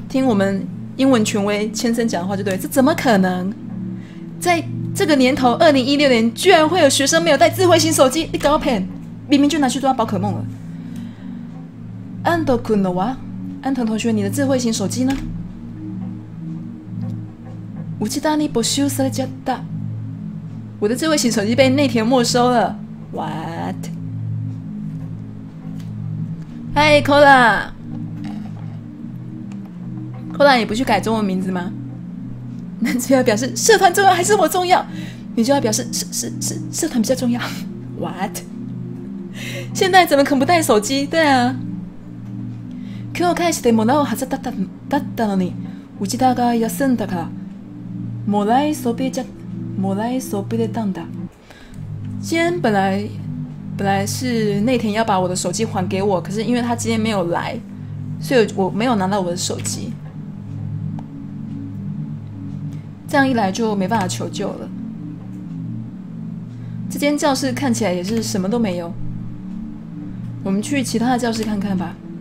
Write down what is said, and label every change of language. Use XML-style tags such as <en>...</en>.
<zh>听我们英文权威千森讲的话就对，这怎么可能？在这个年头，2016年，居然会有学生没有带智慧型手机？你搞骗！明明就拿去抓宝可梦了。</zh> <ja>安藤君のは？</ja> <zh>安藤同学，你的智慧型手机呢？</zh> <ja>うちだに没収されちゃった。</ja> <zh>我的智慧型手机被内田没收了。</zh> <en>What？</en> <zh>嗨 ，Cola，Cola 也不去改中文名字吗？那就要表示社团重要还是我重要？你就要表示社团比较重要。</zh> <en>What？</en> <zh>现在怎么肯不带手机？对啊。</zh> <ja>今日返してもらうはずだったのに、内田が休んだから、もらいそびれたんだ。</ja> <zh>今天本来是内田要把我的手机还给我，可是因为他今天没有来，所以我没有拿到我的手机。这样一来就没办法求救了。这间教室看起来也是什么都没有，我们去其他的教室看看吧。</zh>